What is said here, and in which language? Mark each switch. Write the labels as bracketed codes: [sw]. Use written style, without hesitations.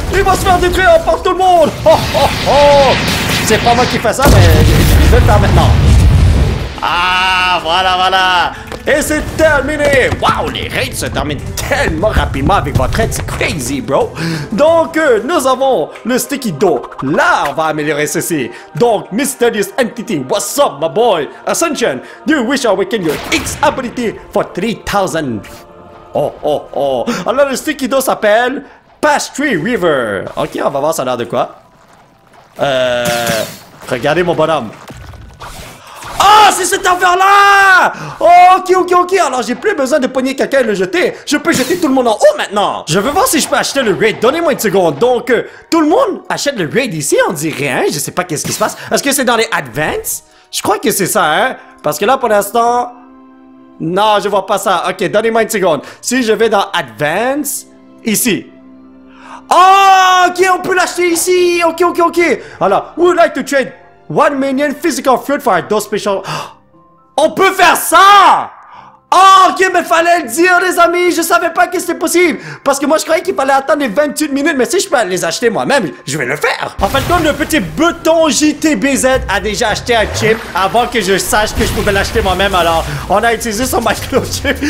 [fr] Il va se faire détruire par tout le monde. Oh, oh, oh. C'est pas moi qui fais ça, mais je vais le faire maintenant. Ah, voilà, voilà. Et c'est terminé. Waouh, les raids se terminent tellement rapidement avec votre aide, c'est [en] crazy, bro. [fr] Donc, nous avons le Sticky Do. Là, on va améliorer ceci. [en] Donc, Mysterious Entity, what's up, my boy? Ascension, do you wish to awaken your X ability for 3000? [fr] Oh, oh, oh. Alors, le Sticky Do s'appelle Pastry River. Ok, on va voir ça a l'air de quoi. Regardez mon bonhomme. Ah, c'est cette affaire-là! Oh, ok, ok, ok. Alors, j'ai plus besoin de pogner quelqu'un et le jeter. Je peux jeter tout le monde en haut maintenant. Je veux voir si je peux acheter le raid. Donnez-moi une seconde. Donc, tout le monde achète le raid ici. On dit rien. Je sais pas qu'est-ce qui se passe. Est-ce que c'est dans les advances? Je crois que c'est ça, hein. Parce que là, pour l'instant. Non, je vois pas ça. Ok, donnez-moi une seconde. Si je vais dans advance, ici. Oh, ok, on peut l'acheter ici. Ok, ok, ok. [en] Alors, we would like to trade 1 million physical fruit for a dose special. [fr] On peut faire ça! Oh, ok, mais fallait le dire, les amis! Je savais pas que c'était possible! Parce que moi, je croyais qu'il fallait attendre les 28 minutes, mais si je peux les acheter moi-même, je vais le faire! En fait, comme le petit bouton JTBZ a déjà acheté un chip avant que je sache que je pouvais l'acheter moi-même, alors on a utilisé son microchip.